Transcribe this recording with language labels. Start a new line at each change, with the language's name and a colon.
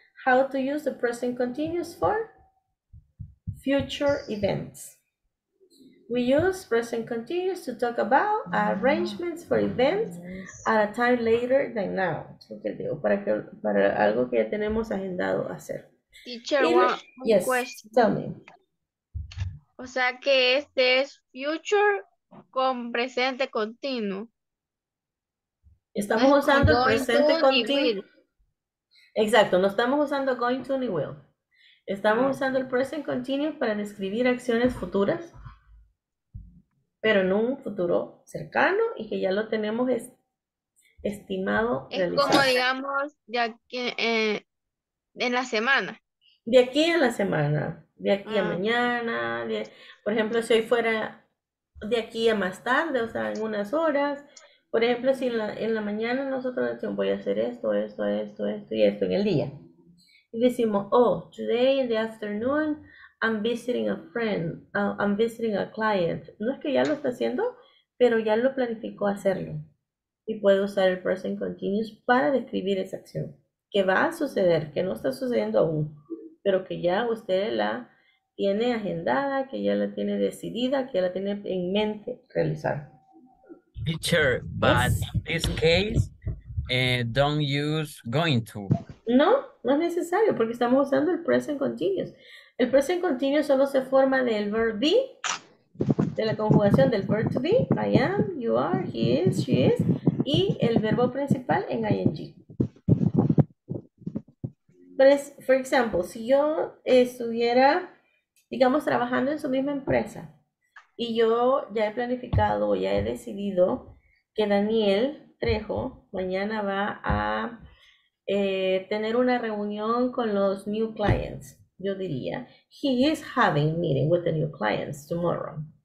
English: How to use the present continuous for future events. We use present continuous to talk about arrangements for events at a time later than now.
Spanish: Es lo que digo, para algo que ya tenemos agendado hacer.
English: Teacher, one question. Tell me.
Spanish: O sea que este es future con presente continuo. Estamos usando presente continuo. Exacto, no estamos usando going to ni will. Estamos usando el present continuous para describir acciones futuras, pero en un futuro cercano y que ya lo tenemos estimado es realizar. Como digamos de aquí en la semana. De aquí a la semana, de aquí a mañana, por ejemplo, si hoy fuera de aquí a más tarde, o sea, en unas horas. Por ejemplo, si en la mañana nosotros decimos voy a hacer esto, esto, esto, esto y esto en el día. Y decimos, oh,
English: today in the afternoon I'm visiting a friend, I'm visiting a client.
Spanish: No es que ya lo está haciendo, pero ya lo planificó hacerlo. Y puede usar el present continuous para describir esa acción. Que va a suceder, que no está sucediendo aún, pero que ya usted la tiene agendada, que ya la tiene decidida, que ya la tiene en mente realizar.
English: Teacher, but yes. In this case, don't use going to.
Spanish: No, no es necesario porque estamos usando el present continuous. El present continuous solo se forma del verb be, de la conjugación del verb to be,
English: I am, you are, he is, she is,
Spanish: y el verbo principal en ing. For example, si yo estuviera, digamos, trabajando en su misma empresa, y yo ya he planificado, ya he decidido que Daniel Trejo mañana va a tener una reunión con los
English: new clients.
Spanish: Yo diría,
English: he is having a meeting with the new clients tomorrow.